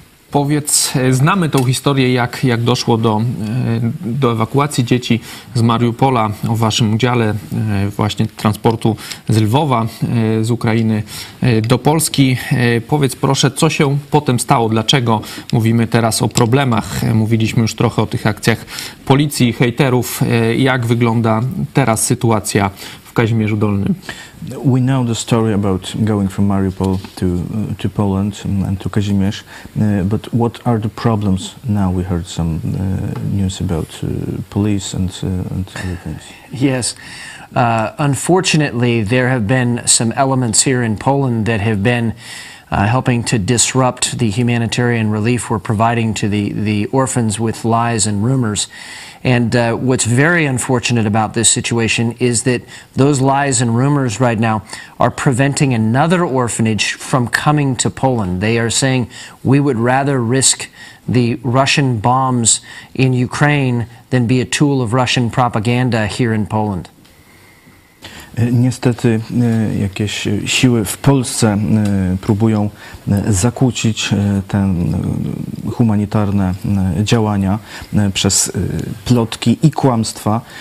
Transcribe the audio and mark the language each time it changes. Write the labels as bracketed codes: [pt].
[pl] Powiedz, znamy tą historię, jak doszło do ewakuacji dzieci z Mariupola, o waszym udziale właśnie transportu z Lwowa, z Ukrainy do Polski. Powiedz proszę, co się potem stało? Dlaczego mówimy teraz o problemach? Mówiliśmy już trochę o tych akcjach policji, hejterów. Jak wygląda teraz sytuacja w Kazimierzu Dolnym? [en] We know the story about going from Mariupol to Poland and to Kazimierz, but what are the problems now? We heard some news about police and other things. Yes, unfortunately, there have been some elements here in Poland that have been helping to disrupt the humanitarian relief we're providing to the orphans with lies and rumors. And what's very unfortunate about this situation is that those lies and rumors right now are preventing another orphanage from coming to Poland. They are saying, we would rather risk the Russian bombs in Ukraine than be a tool of Russian propaganda here in Poland. [pl] Niestety jakieś siły w Polsce próbują zakłócić te humanitarne działania przez plotki i kłamstwa.